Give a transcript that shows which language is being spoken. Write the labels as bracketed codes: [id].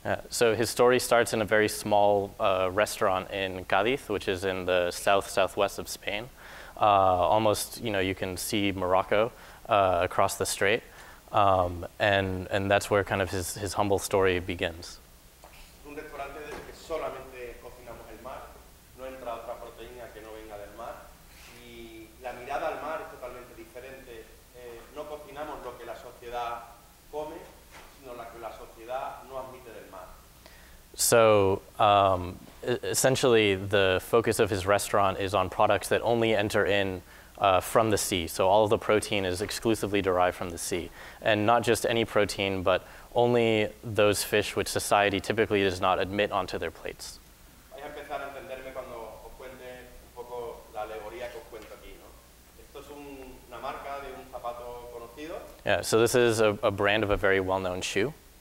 [en] So his story starts in a very small restaurant in Cádiz, which is in the southwest of Spain. Almost, you know, you can see Morocco across the strait. And that's where kind of his humble story begins. [es] Un restaurante desde que solamente cocinamos el mar, no entra otra proteína que no venga del mar. Y la mirada al mar es totalmente diferente. No cocinamos lo que la sociedad come, sino lo que la sociedad no admite del mar. [en] So essentially, the focus of his restaurant is on products that only enter in from the sea. So all of the protein is exclusively derived from the sea. And not just any protein, but only those fish which society typically does not admit onto their plates. [es] Vais a empezar a entenderme cuando os cuente un poco la alegoría que os cuento aquí, ¿no? Esto es una marca de un zapato conocido. [en] Yeah, so this is a brand of a very well-known shoe.